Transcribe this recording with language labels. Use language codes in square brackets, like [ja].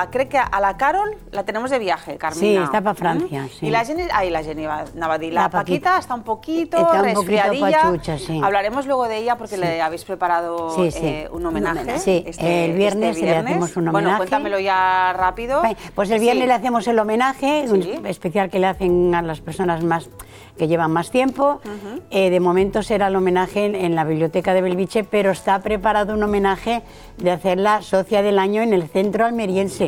[ca] Crec que a la Carol [es] la tenemos de viaje, [ca] Carmina. Sí, està per França, sí. I la Jenny... Ai, la Jenny anava a dir. La Paquita està [es] un poquito resfriadilla. [ca] Està [es] un poquito pachucha, [ca] sí. [es] Hablaremos luego de ella porque sí. Le habéis preparado un homenaje. Sí, el viernes, este viernes le hacemos un homenaje. Bueno, cuéntamelo ya rápido. Pues el viernes le hacemos el homenaje, un especial que le hacen a las personas más... que llevan más tiempo. De momento será el homenaje en la biblioteca de Belviche, pero está preparado un homenaje de hacer la socia del año en el centro almeriense.